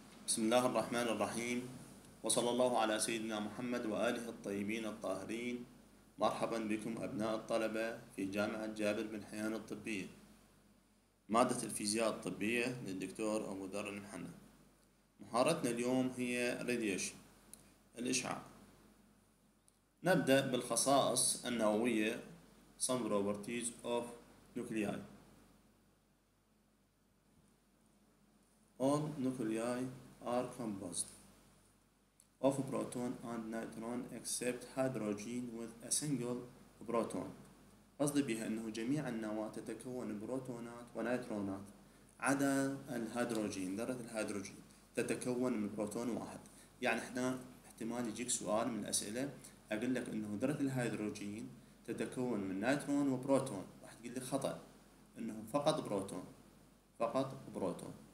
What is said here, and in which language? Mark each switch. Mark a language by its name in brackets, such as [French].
[Arabic] بسم الله الرحمن الرحيم، وصلى الله على سيدنا محمد وآله الطيبين الطاهرين. مرحبا بكم أبناء الطلبة في جامعة جابر بن حيان الطبية، مادة الفيزياء الطبية للدكتور أبو ذر المحنة. محاضرتنا اليوم هي الراديشن، الإشعاع. نبدأ بالخصائص النووية، [English] some properties of nuclei. All nuclei are composed of proton and neutron except hydrogen with a single proton. [Arabic] قصدي بها انه جميع النواة تتكون بروتونات ونيترونات عدا الهيدروجين، ذرة الهيدروجين تتكون من بروتون واحد. يعني احنا احتمال يجيك سؤال من الاسئلة اقول لك انه ذرة الهيدروجين تتكون من نيترون وبروتون، راح تقول لي خطأ، انه فقط بروتون، فقط بروتون.